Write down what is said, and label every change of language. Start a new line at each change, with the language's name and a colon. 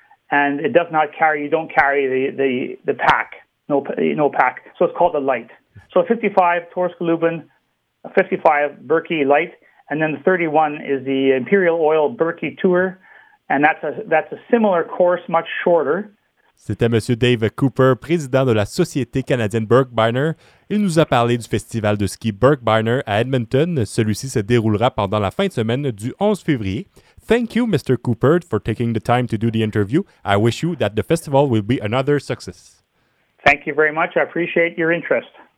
English: And it does not carry, you don't carry the pack. No pack. So it's called the Light. So 55 Torsk Lubin, 55 Berkey Light, and then the 31 is the Imperial Oil Berkey Tour, and that's a similar course, much shorter.
French: C'était Monsieur Dave Cooper, président de la Société canadienne Birkebeiner. Il nous a parlé du festival de ski Birkebeiner à Edmonton. Celui-ci se déroulera pendant la fin de semaine du 11 février.
English: Thank you, Mr. Cooper, for taking the time to do the interview. I wish you that the festival will be another success. Thank you very much. I appreciate your interest.